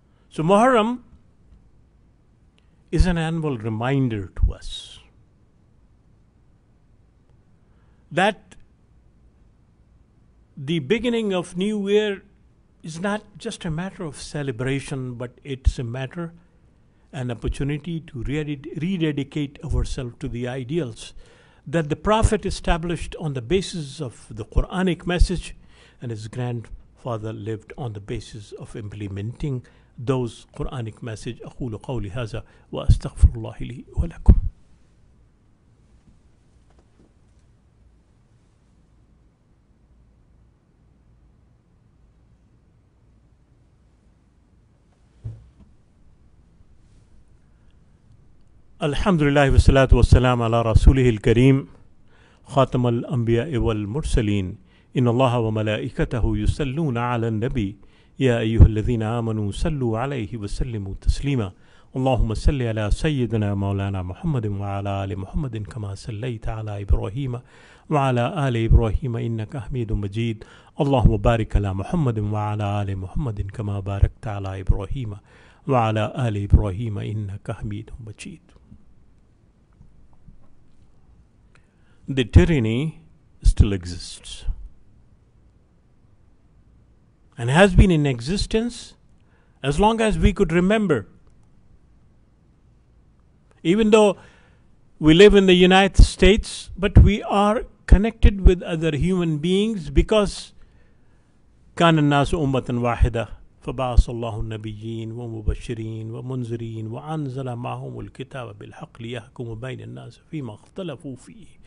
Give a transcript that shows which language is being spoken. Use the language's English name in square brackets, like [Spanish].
[English] So Muharram is an annual reminder to us that the beginning of new year is not just a matter of celebration, but it's a matter, an opportunity to rededicate ourselves to the ideals that the Prophet established on the basis of the Quranic message, and his grandfather lived on the basis of implementing those Quranic message. [Arabic] أقول قولي هذا وأستغفر الله لي ولكم. الحمد لله والصلاة والسلام على رسوله الكريم خاتم الأنبياء والمرسلين. إن الله وملائكته يصلون على النبي يا أيها الذين آمنوا صلوا عليه وسلموا تسليما. اللهم صل على سيدنا مولانا محمد وعلى آل محمد كما صليت على إبراهيم وعلى آل إبراهيم إنك حميد مجيد. اللهم بارك على محمد وعلى آل محمد كما باركت على إبراهيم وعلى آل إبراهيم إنك حميد مجيد. [English] The tyranny still exists and has been in existence as long as we could remember. Even though we live in the United States, but we are connected with other human beings because [Arabic] كَانَ النَّاسُ أُمَّةً وَاحِدَةً فَبَعَثَ اللَّهُ النَّبِيِّينَ وَمُبَشِّرِينَ وَمُنذِرِينَ وَأَنزَلَ مَعَهُمُ الْكِتَابَ بِالْحَقِّ لِيَحْكُمَ بَيْنَ النَّاسِ فِيمَا اخْتَلَفُوا فِيهِ.